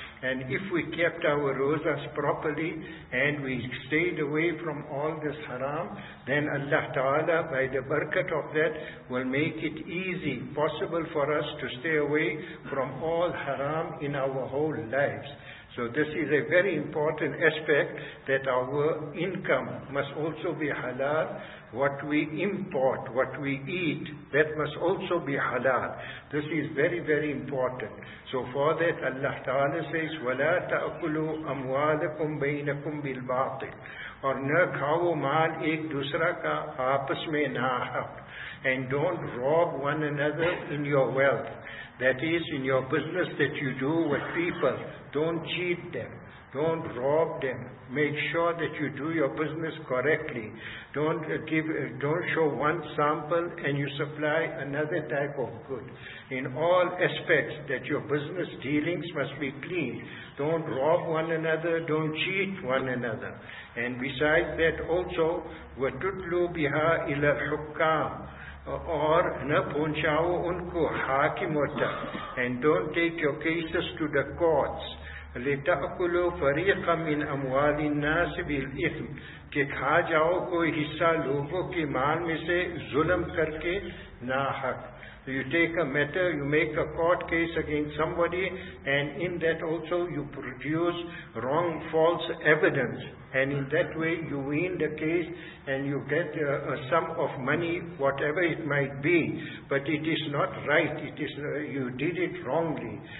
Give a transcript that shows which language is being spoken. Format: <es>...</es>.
<en>And if we kept our rozas properly and we stayed away from all this haram, then Allah Ta'ala, by the barakat of that, will make it easy, possible for us to stay away from all haram in our whole lives. So this is a very important aspect, that our income must also be halal. What we import, what we eat, that must also be halal. This is very, very important. So for that, Allah Ta'ala says,</en> <ar>وَلَا تَأْكُلُوا أَمْوَالَكُمْ بَيْنَكُمْ بِالْبَاطِلِ</ar> <ur>اور نہ کھاؤو مال ایک دوسرا کا آپس میں ناحق.</ur> <en>And don't rob one another in your wealth. That is, in your business that you do with people, don't cheat them. Don't rob them. Make sure that you do your business correctly. Don't show one sample and you supply another type of good. In all aspects that your business dealings must be clean. Don't rob one another. Don't cheat one another. And besides that also,</en> <ar>وَتُدْلُوا بِهَا إِلَى الْحُكَّامِ</ar> <ur>اور نہ پہنچاؤ ان کو حاکموں تک.</ur> <en>And don't take your cases to the courts.</en> <ar>لِتَأْكُلُوا فَرِيقًا مِّنْ أَمْوَالِ النَّاسِ بِالْإِثْمِ</ar> <ur>کہ کھا جاؤ کوئی حصہ لوگوں کے مال میں سے ظلم کر کے ناحق.</ur> <en>You take a matter, you make a court case against somebody, and in that also you produce wrong, false evidence. And in that way you win the case and you get a sum of money, whatever it might be. But it is not right. You did it wrongly.</en>